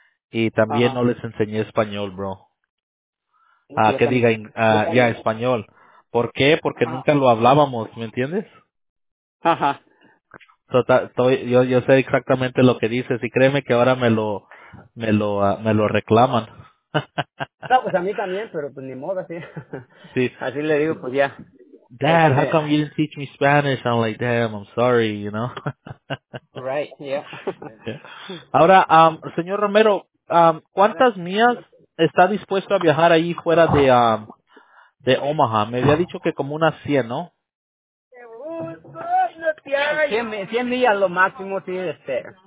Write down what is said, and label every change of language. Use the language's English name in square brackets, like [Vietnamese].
[Spanish] Y también no les enseñé español, bro. Que diga ya español. ¿Por qué? Porque nunca lo hablábamos, ¿me entiendes? Yo sé exactamente lo que dices y créeme que ahora me lo reclaman. No, pues a mí también, pero pues ni modo, así. Sí. Así le digo, pues ya. [English] Dad, how come you didn't teach me Spanish? I'm like, damn, I'm sorry, you know. Right, yeah. [Spanish] Ahora, señor Romero, ¿cuántas millas está dispuesto a viajar ahí fuera de Omaha? Me había dicho que como unas 100, ¿no? 100 millas lo máximo, sí, este.